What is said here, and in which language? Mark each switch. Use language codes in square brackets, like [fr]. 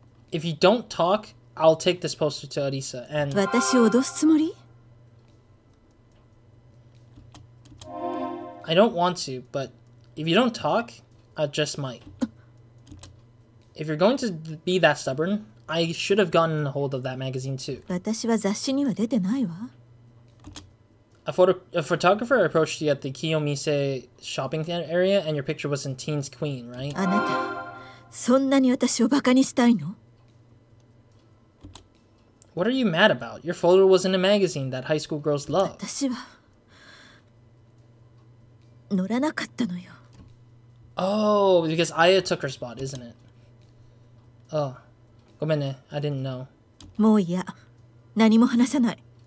[en] If you don't talk, I'll take this poster to Arisa and... [ja] 私を脅すつもり? [en] I don't want to, but if you don't talk, I just might. If you're going to be that stubborn, I should have gotten a hold of that magazine too. [ja] 私は雑誌には出てないわ。 [en] A photographer approached you at the Kiyomise shopping area, and your picture was in Teen's Queen, right? [ja] あなた、そんなに私をバカにしたいの? [en] What are you mad about? Your photo was in a magazine that high school girls love. [ja] 私は乗らなかったのよ。 [en] Oh, because Aya took her spot, isn't it? Oh, [ja] ごめんね, [en] I didn't know. [ja] もういや、何も話さない。